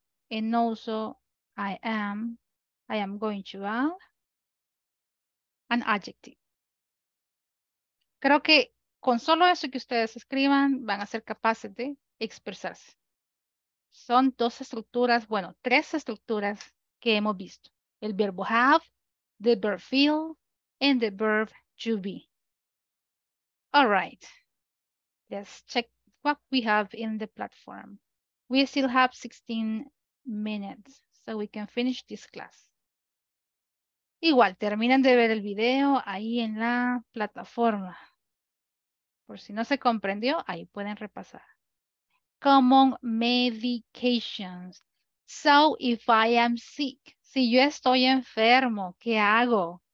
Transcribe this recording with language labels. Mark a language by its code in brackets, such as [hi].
[en] And also, I am going to add an adjective. [es] Creo que con solo eso que ustedes escriban van a ser capaces de expresarse. son dos estructuras, bueno, tres estructuras que hemos visto. El verbo have, [en] the verb feel, and the verb to be. All right. Let's check what we have in the platform. We still have 16 minutes, so we can finish this class. [es] Igual, terminen de ver el video ahí en la plataforma. Por si no se comprendió, ahí pueden repasar. [en] Common medications. So if I am sick, [es] si yo estoy enfermo, ¿qué hago?